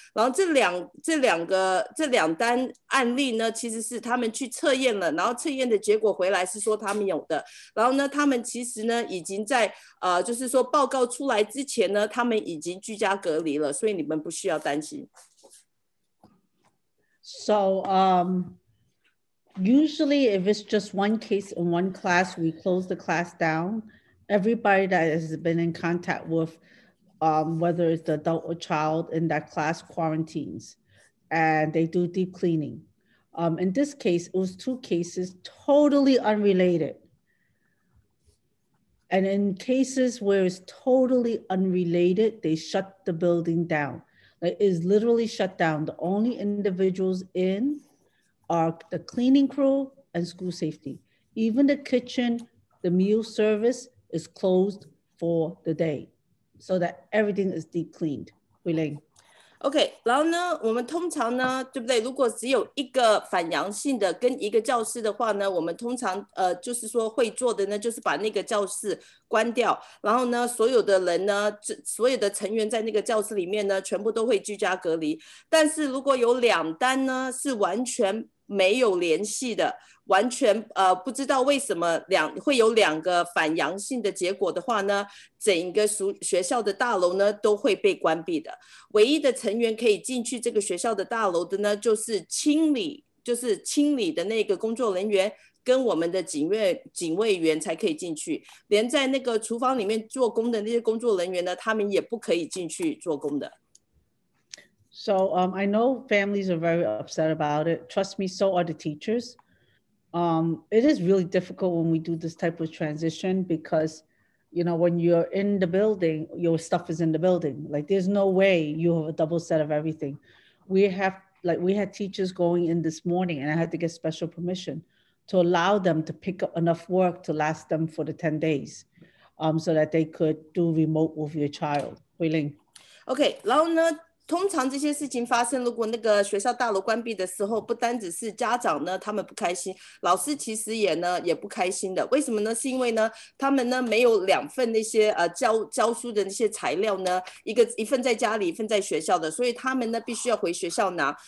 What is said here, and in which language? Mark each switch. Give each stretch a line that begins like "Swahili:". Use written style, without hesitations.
Chinese: 然后这两单案例呢，其实是他们去测验了，然后测验的结果回来是说他们有的。然后呢他们其实呢已经在就是说报告出来之前呢，他们已经居家隔离了，所以你们不需要担心。
English: So usually if it's just one case in one class, we close the class downEverybody that has been in contact with, whether it's the adult or child in that class, quarantines, and they do deep cleaning. In this case, it was two cases totally unrelated. And in cases where it's totally unrelated, they shut the building down. Like it's literally shut down. The only individuals in are the cleaning crew and school safety. Even the kitchen, the meal service,is closed for the day so that everything is deep cleaned. Huiling.
Chinese: Okay, 然后呢我们通常呢对不对，如果只有一个反阳性的跟一个教室的话呢，我们通常就是说会做的呢就是把那个教室关掉，然后呢所有的人呢所有的成员在那个教室里面呢全部都会居家隔离。但是如果有两单呢是完全没有联系的，完全不知道为什么会有两个反阳性的结果的话呢，整个学校的大楼呢都会被关闭的。唯一的成员可以进去这个学校的大楼的呢，就是清理的那个工作人员跟我们的警卫员才可以进去，连在那个厨房里面做工的那些工作人员呢，他们也不可以进去做工的。
English: So I know families are very upset about it. Trust me, so are the teachers. It is really difficult when we do this type of transition because, you know, when you're in the building, your stuff is in the building. Like there's no way you have a double set of everything. We had teachers going in this morning and I had to get special permission to allow them to pick up enough work to last them for the 10 days so that they could do remote with your child. Hui Ling.
Chinese: Okay, 通常这些事情发生，如果那个学校大楼关闭的时候，不单只是家长呢，他们不开心，老师其实也不开心的。为什么呢？是因为呢，他们呢没有两份那些教书的那些材料呢，一份在家里，一份在学校的，所以他们呢必须要回学校拿。